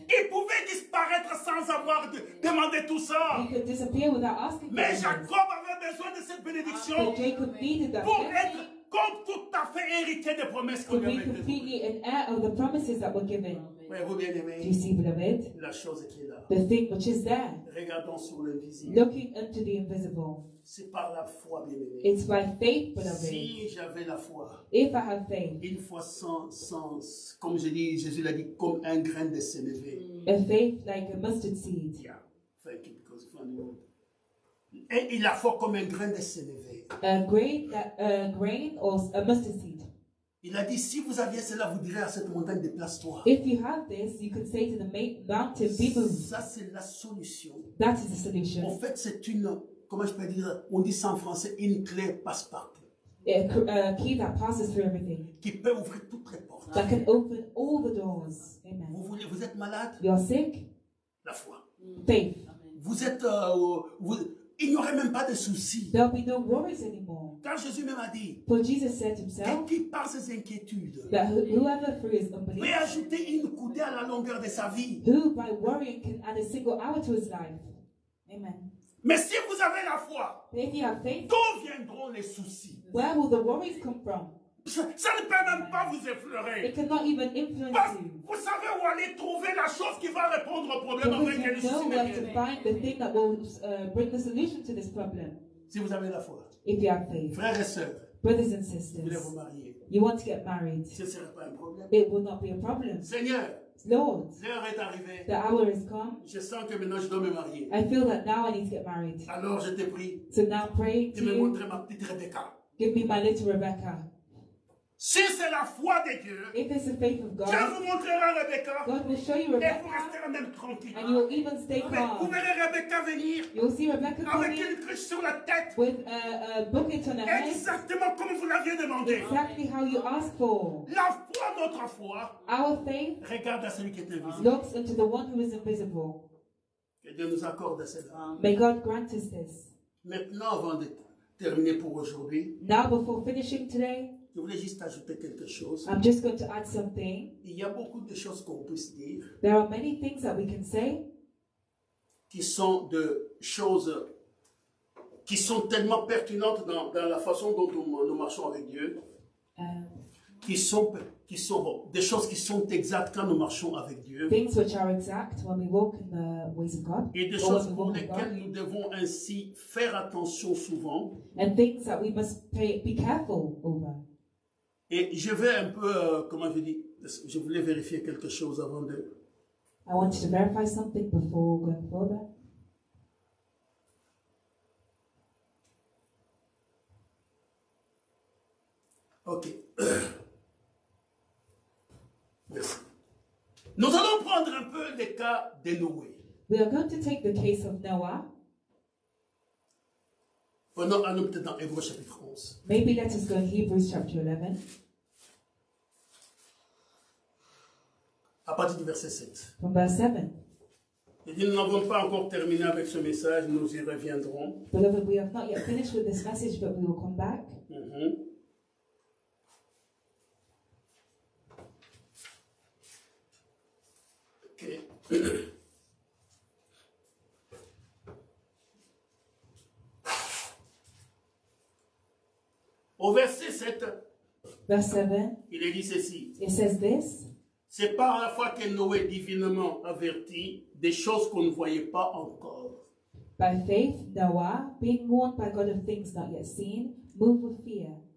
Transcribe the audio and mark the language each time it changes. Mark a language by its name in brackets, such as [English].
[French] Il pouvait disparaître sans avoir demandé tout ça. [English] He could disappear without asking. [French] Mais Jacob avait besoin de cette bénédiction. [English] But Jacob needed that. [French] Pour être comme tout à fait hérité des promesses qu'on lui avait données. [English] To be completely an heir of the promises that were given. [French] Mais vous bien aimé. [English] Do you see, beloved? [French] La chose qui est là. [English] The thing which is there. [French] Regardons sur l'invisible. [English] Looking unto the invisible. [French] C'est par la foi, bien-aimé. [English] It's by faith, beloved. [French] Si j'avais la foi. [English] If I have faith. [French] Une foi sans sens. Comme je dis, Jésus l'a dit, comme un grain de sénévé. [English] A faith like a mustard seed. Yeah. Thank you, because of the word. [French] Et la foi comme un grain de sénévé. [English] A grain or a mustard seed. [French] Il a dit, si vous aviez cela, vous direz à cette montagne, déplace-toi. [English] If you have this, you could say to the mountain, be moved. [French] Ça, c'est la solution. [English] That is the solution. [French] En fait, c'est une, comment je peux dire, on dit ça en français, une clé passe-partout. [English] A key that passes through everything. [French] Qui peut ouvrir toutes les portes. [English] That can open all the doors. Amen. [French] Vous voulez, vous êtes malade? [English] You're sick? [French] La foi. [English] Faith. [French] Vous êtes, vous, il n'y aurait même pas de soucis. [English] There'll be no worries anymore. [French] Quand Jésus même a dit, [English] for Jesus said himself, [French] qui par ses inquiétudes, [English] that whoever through his unbelief, [French] peut ajouter une coudée à la longueur de sa vie, [English] who by worrying can add a single hour to his life. Amen. [French] Mais si vous avez la foi, [English] if you have faith, [French] d'où viendront les soucis? [English] Where will the worries come from? [French] Ça ne peut même pas vous effleurer. [English] It cannot even influence [French] parce [English] you. [French] Vous savez où aller trouver la chose qui va répondre au problème avec quel souci. [English] You know where to find the thing that will bring the solution to this problem. [French] Si vous avez la foi. [English] If you have faith. [French] Frères et sœurs. [English] Brothers and sisters. [French] Vous voulez vous marier. [English] You want to get married. [French] Ce ne sera pas un problème. [English] It will not be a problem. [French] Seigneur. [English] Lord. [French] L'heure est arrivée. [English] The hour is come. [French] Je sens que maintenant je dois me marier. [English] I feel that now I need to get married. [French] Alors je te prie. [English] So now pray to you. [French] Tu me montres ma petite Rebecca. [English] Give me my little Rebecca. [French] Si c'est la foi de Dieu, [English] if it's the faith of God, [French] Dieu vous montrera Rebecca, [English] God will show you Rebecca, [French] et vous resterez même tranquille. [English] And you will even stay calm. [French] Vous verrez Rebecca venir, [English] you'll see Rebecca [French] avec une cruche sur la tête, [English] with a bucket on her head, [French] exactement comme vous l'aviez demandé. [English] Exactly how you asked for. [French] La foi, notre foi, [English] our faith, [French] regarde à celui qui est invisible, [English] looks into the one who is invisible. [French] Que Dieu nous accorde cela. [English] May God grant us this. [French] Maintenant, avant de terminer pour aujourd'hui, [English] now before finishing today. [French] Je voulais juste ajouter quelque chose. [English] I'm just going to add something. [French] Il y a beaucoup de choses qu'on peut dire. [English] There are many things that we can say. [French] Qui sont de choses qui sont tellement pertinentes dans la façon dont nous marchons avec Dieu. Qui sont bon, des choses qui sont exactes quand nous marchons avec Dieu. [English] Things which are exact when we walk in the ways of God. [French] Et des choses pour lesquelles nous devons ainsi faire attention souvent. [English] And things that we must be careful over. [French] Et je vais un peu, comment je dis, je voulais vérifier quelque chose avant de... [English] I wanted to verify something before going further. Ok. [French] Merci. Nous allons prendre un peu le cas de Noé. [English] We are going to take the case of Noah. [French] Venons à nous peut-être dans Hébreux chapitre 11. [English] Maybe let us go to Hebrews chapter 11. [French] À partir du verset 7. [English] From verse 7. [French] Et dit, nous n'avons pas encore terminé avec ce message, nous y reviendrons. [English] Beloved, we have not yet finished with this message, but we will come back. Mm-hmm. Ok. [French] Au verset 7. [English] Verse 7. [French] Il est dit ceci. [English] It says this. [French] C'est par la foi que Noé divinement averti des choses qu'on ne voyait pas encore. [English] By faith, Noah, being warned by God of things not yet seen, moved with fear.